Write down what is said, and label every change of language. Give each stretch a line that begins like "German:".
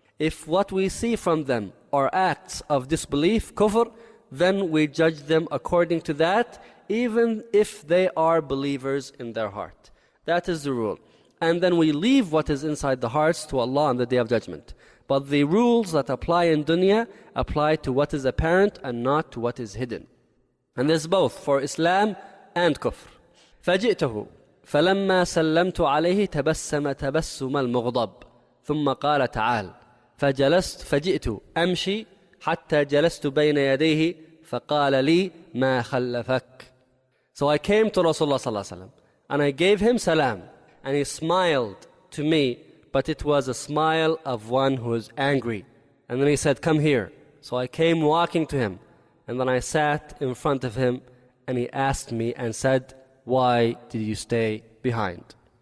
English: If what we see from them are acts of disbelief, kufr, then we judge them according to that, even if they are believers in their heart. That is the rule. And then we leave what is inside the hearts to Allah on the Day of Judgment. But the rules that apply in dunya apply to what is apparent and not to what is hidden. And this is both for Islam and kufr.
Arabic: فَجِئْتَهُ فلما سلمت عليه تبسم تبسم المغضب ثم قال تعال فجلست فجئت أمشي حتى جلست بين يديه فقال لي ما خلفك.
English: So I came to Rasulullah
Arabic: صلى الله عليه وسلم
English: and I gave him salam and he smiled to me, but it was a smile of one who is angry. And then he said, come here. So I came walking to him and then I sat in front of him and he asked me and said, why did you stay behind?